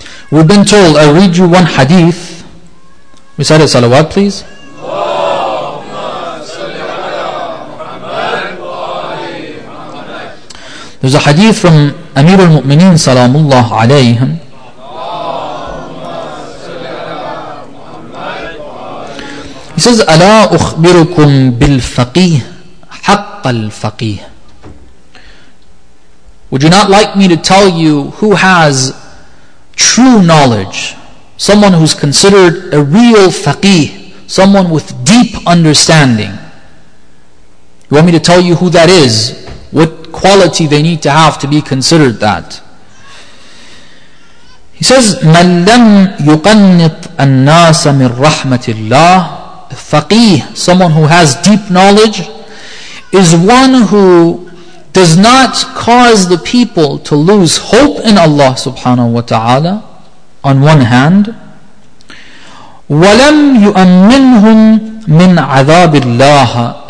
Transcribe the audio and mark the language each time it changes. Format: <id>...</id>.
<en>We've been told, I'll read you one hadith. Recite a salawat, please. There's a hadith from Amir al-Mu'mineen salamullah alayhim. He says,</en> <ar>أَلَا أُخْبِرُكُمْ بِالْفَقِيهِ حَقَّ الْفَقِيهِ.</ar> <en>Would you not like me to tell you who has true knowledge? Someone who's considered a real faqih, someone with deep understanding. You want me to tell you who that is? What quality they need to have to be considered that? He says,</en> <ar>مَنْ لَمْ يُقَنِّطْ النَّاسَ مِنْ رَحْمَةِ اللَّهِ.</ar> <en>Faqih, someone who has deep knowledge, is one who does not cause the people to lose hope in Allah subhanahu wa ta'ala, on one hand.</en> <ar>وَلَمْ يُؤَمِّنْهُمْ مِنْ عَذَابِ اللَّهِ.</ar>